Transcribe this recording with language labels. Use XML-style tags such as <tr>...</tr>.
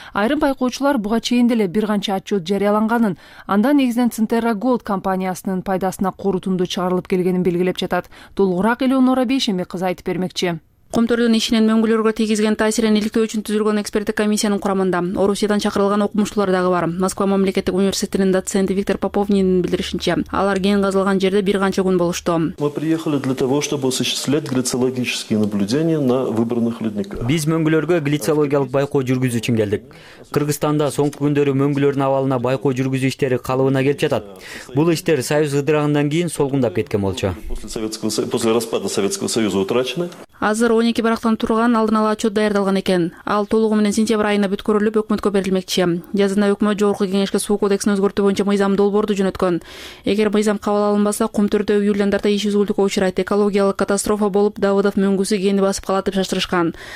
<ky>Айрым байкоочулар буга чейин деле бир канча отчет жарыяланганын, анда негизинен Центерра Голд компаниясынын пайдасына корутунду чыгарылып келгенин белгилеп жатат. Толугураак Элеонора Бейшеме кызы айтып бермекчи. Кумтөрдүн ишинин мөңгүлөргө тийгизген таасирин иликтөө үчүн түзүлгөн эксперттик комиссиянын курамында Орусиядан чакырылган окумуштуулар дагы бар. Москва мамлекеттик университетинин доценти Виктор Поповнин билдиришинче, алар кең казылган жерде бир канча күн болушту.</ky> <ru>Мы приехали для того, чтобы осуществлять глициологические наблюдения на выбранных ледниках.</ru> <ky>Биз мөңгүлөргө глициологиялык байкоо жүргүзүү үчүн келдик. Кыргызстанда соңку күндөрү мөңгүлөрдүн абалына байкоо жүргүзүү иштери калыбына келип жатат. Бул иштер Союз ыдырагандан кийин солгундап кеткен болчу.</ky> <ru>После распада Советского Союза утрачены.</ru> <ky>Азыр 12 барактан турган алдын ала отчет даярдалган экен. Ал толугу менен сентябрь айына бүткөрүлүп өкмөткө берилмекчи. Жазында өкмөт жогорку кеңешке суу кодексин өзгөртүү боюнча мыйзам долбоорду жөнөткөн. Эгер мыйзам кабыл алынбаса, Кумтөрдө үйлөндөрдө иш үзгүлтүккө учурайт. Экологиялык катастрофа болуп, Давыдов мөңгүсү кени басып калат деп шаштырышкан.</ky>